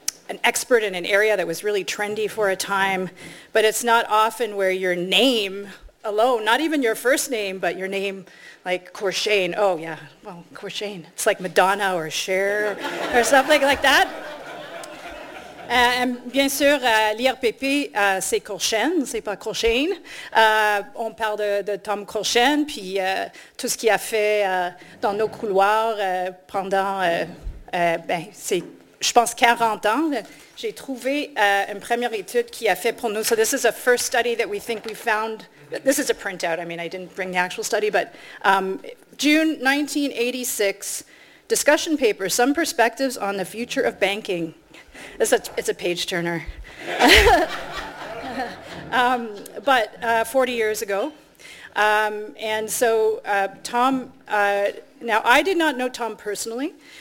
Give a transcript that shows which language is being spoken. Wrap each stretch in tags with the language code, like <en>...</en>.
<en>an expert in an area that was really trendy for a time, but it's not often where your name alone, not even your first name, but your name, like Courchain, oh yeah, well, Courchain, it's like Madonna or Cher or something like that.</en> <fr>And bien sûr, l'IRPP, c'est Courchain, c'est pas Courchain. On parle de Tom Courchain, puis tout ce qu'il a fait dans nos couloirs pendant, ben, c'est, je pense, 40 ans. J'ai trouvé une première étude qu'il a fait pour nous.</fr> <en>So this is a first study that we think we found. This is a printout. I mean, I didn't bring the actual study, but June 1986, discussion paper, Some Perspectives on the Future of Banking. It's a page-turner. but 40 years ago. And so Tom, now I did not know Tom personally.</en>